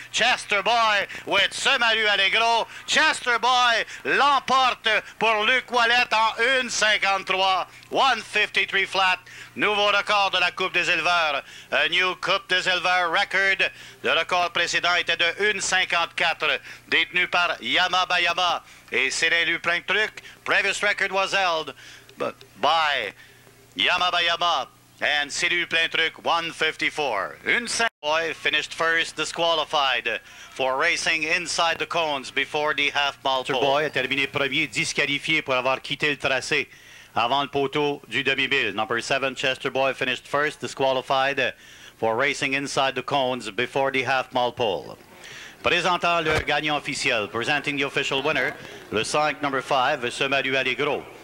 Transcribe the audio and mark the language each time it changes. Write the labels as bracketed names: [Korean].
[French] Chester Boy with SEMALU ALLEGRO. Chester Boy l'emporte pour Luc Ouellette en 1.53. 1.53 flat. Nouveau record de la Coupe des Éleveurs. [English] A new Coupe des Éleveurs record. [French] Le record précédent était de 1.54, détenu par Yama Bayama. Et c'est l'élu plein de trucs. [English] Previous record was held by Yama Bayama and Sidu Plaintruc, 154. Unsen Boy finished first, disqualified for racing inside the cones before the half mile pole. [French] Boy a terminé premier, disqualifié pour avoir quitté le tracé avant le poteau du demi-mille. [English] Number 7, Chester Boy finished first, disqualified for racing inside the cones before the half mile pole. [French] Présentant le gagnant officiel, [English] presenting the official winner, [French] le 5, [English] number 5, [French] SEMALU ALLEGRO.